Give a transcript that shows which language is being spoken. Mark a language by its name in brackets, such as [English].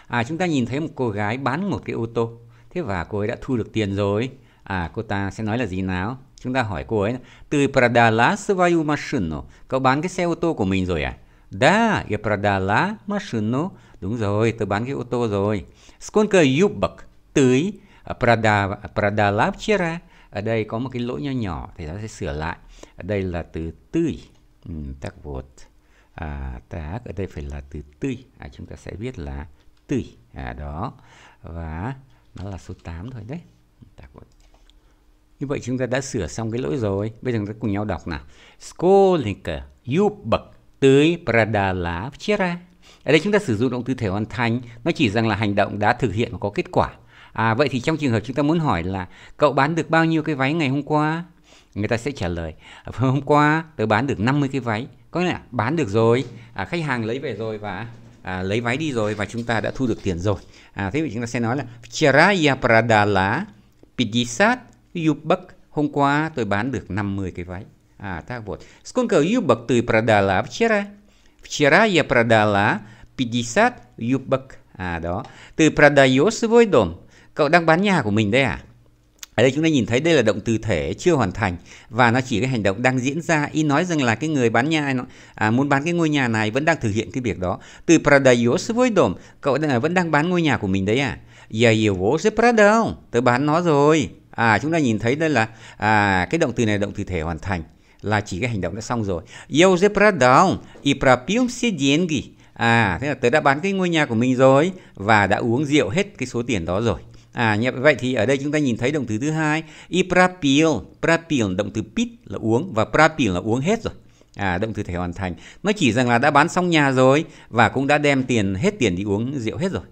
[Vietnamese] Chúng ta nhìn thấy một cô gái bán một cái ô tô. Thế và cô ấy đã thu được tiền rồi. Cô ta sẽ nói là gì nào? Chúng ta hỏi cô ấy. [Russian] Ты продала свою машину. [Vietnamese] Cậu bán cái xe ô tô của mình rồi à? [Russian] Да, я продала машину. [Vietnamese] Đúng rồi, tôi bán cái ô tô rồi. [Russian] Сколько юбок ты продала вчера? [Vietnamese] Ở đây có một cái lỗi nhỏ nhỏ, thì ta sẽ sửa lại. Ở đây là từ tươi. [Russian] Так вот. [Vietnamese] Так, ở đây phải là từ tươi. Chúng ta sẽ viết là tươi. Đó. Và nó là số 8 thôi đấy. [Russian] Так вот. [Vietnamese] Như vậy chúng ta đã sửa xong cái lỗi rồi. Bây giờ chúng ta cùng nhau đọc nào. [Russian] Сколько юбок ты продала вчера? [Vietnamese] Ở đây chúng ta sử dụng động từ thể hoàn thành. Nó chỉ rằng là hành động đã thực hiện có kết quả. Vậy thì trong trường hợp chúng ta muốn hỏi là cậu bán được bao nhiêu cái váy ngày hôm qua? Người ta sẽ trả lời hôm qua tôi bán được 50 cái váy. Có nghĩa là bán được rồi, khách hàng lấy về rồi và lấy váy đi rồi và chúng ta đã thu được tiền rồi. Thế vậy chúng ta sẽ nói là [Russian] вчера я продала 50 юбок. [Vietnamese] Hôm qua tôi bán được 50 cái váy. [Russian] Так вот. Сколько юбок ты продала вчера? Вчера я продала 50 юбок. [Vietnamese] Đó. [Russian] Ты продаёшь свой дом? [Vietnamese] Cậu đang bán nhà của mình đây à? Ở đây chúng ta nhìn thấy đây là động từ thể chưa hoàn thành và nó chỉ cái hành động đang diễn ra. Ý nói rằng là cái người bán nhà muốn bán cái ngôi nhà này vẫn đang thực hiện cái việc đó. Từ [Russian] продаёшь свой дом, [Vietnamese] cậu vẫn đang bán ngôi nhà của mình đấy à? [Russian] Я его уже продал, [Vietnamese] tớ bán nó rồi. Chúng ta nhìn thấy đây là cái động từ này động từ thể hoàn thành là chỉ cái hành động đã xong rồi. [Russian] Я уже продал и пропил все деньги. [Vietnamese] À, thế là tớ đã bán cái ngôi nhà của mình rồi và đã uống rượu hết cái số tiền đó rồi. À, như vậy thì ở đây chúng ta nhìn thấy động từ thứ hai, [Russian] и пропил. [Vietnamese] Пропил động từ пить là uống và пропил là uống hết rồi. À, động từ thể hoàn thành. Nó chỉ rằng là đã bán xong nhà rồi và cũng đã đem tiền hết tiền đi uống rượu hết rồi.